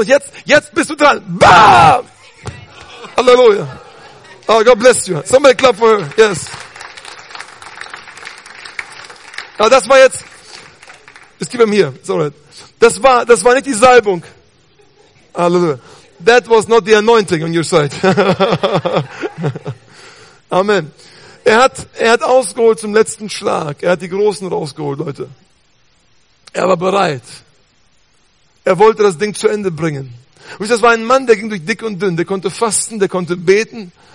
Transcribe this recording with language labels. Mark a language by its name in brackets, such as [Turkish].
[German] Und jetzt bist du dran. [English] Bam! Halleluja. Oh, God bless you. Somebody clap for her. Yes. [German] Aber das war jetzt, es gibt ihm hier, sorry. Das war nicht die Salbung. Halleluja. [English] That was not the anointing on your side. Amen. [German] Er hat ausgeholt zum letzten Schlag. Er hat die Großen rausgeholt, Leute. Er war bereit. Er wollte das Ding zu Ende bringen. Und das war ein Mann, der ging durch dick und dünn. Der konnte fasten, der konnte beten.